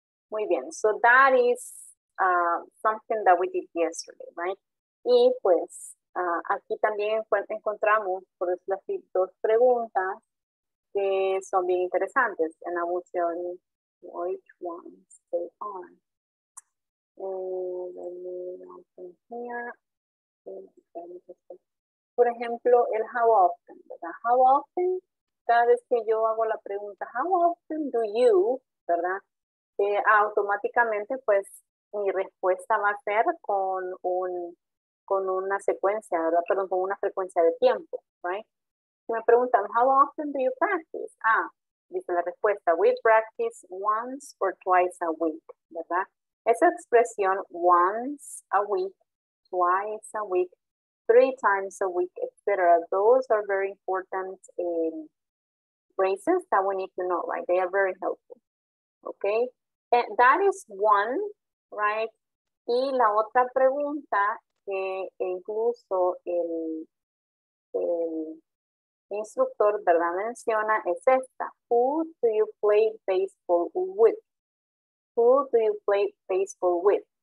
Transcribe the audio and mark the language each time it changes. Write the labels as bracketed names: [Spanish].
[Spanish] Muy bien, [English] so that is something that we did yesterday, right? [Spanish] Y pues, aquí también encontramos, por decirlo así, dos preguntas que son bien interesantes. [English] And I will tell you which ones. On. Let me open here. [Spanish] Por ejemplo, el how often, ¿verdad? How often, cada vez que yo hago la pregunta, [English] how often do you, [Spanish] ¿verdad? Automáticamente, pues, mi respuesta va a ser con un, con una secuencia, ¿verdad? Perdón, con una frecuencia de tiempo, right? Si me preguntan, [English] how often do you practice? Ah, [Spanish] dice la respuesta, [English] we practice once or twice a week, ¿verdad? [Spanish] Esa expresión, [English] once a week, twice a week, [Spanish] three times a week, etc. [English] Those are very important phrases that we need to know, right? They are very helpful, okay? And that is one, right? [Spanish] Y la otra pregunta que incluso el instructor, ¿verdad?, menciona es esta. [English] Who do you play baseball with? Who do you play baseball with?